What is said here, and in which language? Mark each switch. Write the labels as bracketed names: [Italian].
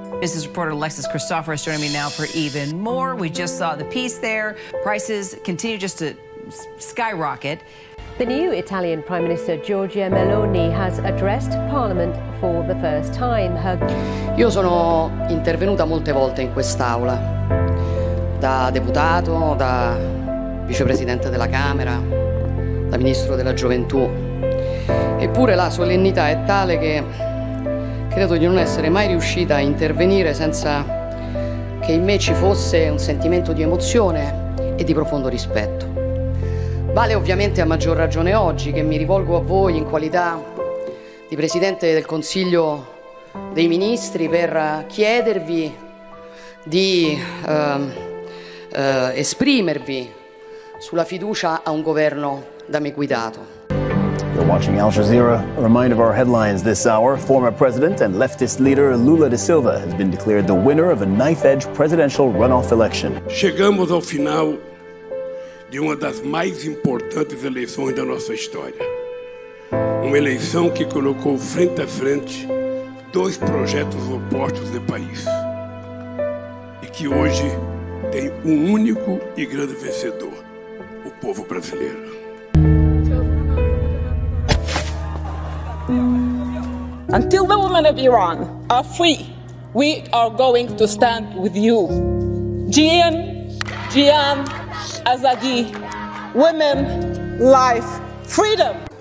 [English] Business reporter Alexis Christophorus joining me now for even more. We just saw the piece there. Prices continue just to skyrocket. The new Italian Prime Minister Giorgia Meloni has addressed Parliament for the first time. [Italian] Io sono intervenuta molte volte in quest'aula. da deputato, da vicepresidente della Camera, da ministro della gioventù. Eppure la solennità è tale che credo di non essere mai riuscita a intervenire senza che in me ci fosse un sentimento di emozione e di profondo rispetto. Vale ovviamente a maggior ragione oggi che mi rivolgo a voi in qualità di Presidente del Consiglio dei Ministri per chiedervi di esprimervi sulla fiducia a un governo da me guidato. [English] You're watching Al Jazeera. A reminder of our headlines this hour. Former president and leftist leader Lula da Silva has been declared the winner of a knife-edge presidential runoff election. [Portuguese] Chegamos ao final de uma das mais importantes eleições da nossa história. Uma eleição que colocou frente a frente dois projetos opostos de país e que hoje tem um único e grande vencedor, o povo brasileiro. [English] Until the women of Iran are free, we are going to stand with you. Jian, Jian, Azadi, women, life, freedom.